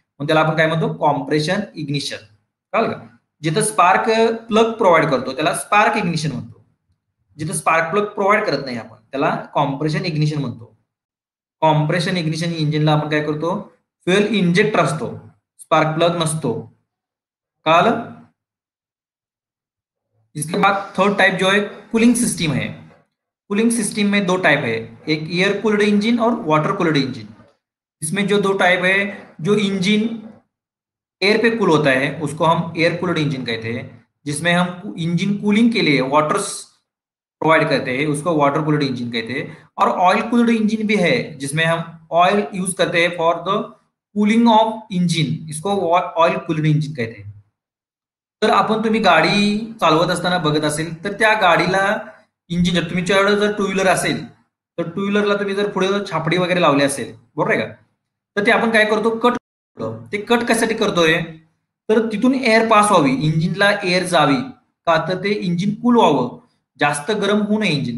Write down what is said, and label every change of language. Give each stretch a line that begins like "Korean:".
Marathi: मग त्याला आपण काय म्हणतो कॉम्प्रेशन इग्निशन. कळलं का? जिथं स्पार्क प्लग प्रोव्हाइड करतो त्याला स्पार्क इग्निशन म्हणतो, जिथं स्पार्क प्लग प्रोव्हाइड करत नाही आपण त्याला कॉम्प्रेशन इग्निशन म्हणतो. कॉम्प्रेशन इग्निशन इंजिनला आपण काय करतो, फ्युएल इंजेक्ट असतो, स्पार्क प्लग नसतो. कळलं?
Hindi: इसके बाद थर्ड टाइप जो है कूलिंग सिस्टम है. कूलिंग सिस्टम में दो टाइप है, एक एयर कूल्ड इंजिन और वाटर कूल्ड इंजिन. इसमें जो दो टाइप है, जो इंजिन एयर पे कूल होता है उसको हम एयर कूल्ड इंजिन कहते हैं, जिसमें हम इंजिन कूलिंग के लिए वाटर प्रोवाइड करते हैं उसको वाटर कूल्ड इंजिन कहते हैं. और ऑयल कूल्ड इंजिन भी है जिसमें हम ऑयल यूज करते हैं
English: for the cooling of engine,
Hindi: इसको ऑयल कूल्ड इंजिन कहते हैं.
Marathi: तर आपण तुम्ही गाडी चालवत असताना बघत असेल तर त्या गाडीला इंजिन, जर तुमच्याकडे जर टू व्हीलर असेल तर टू व्हीलरला तुम्ही जर पुढे छापडी वगैरे लावली असेल, बरोबर आहे का, तर ते आपण काय करतो कट करतो. ते कट कशासाठी करतोय, तर तिथून एअर पास व्हावी, इंजिनला एअर जावी का, तर ते इंजिन कूल व्हावं, जास्त गरम होऊ नये इंजिन.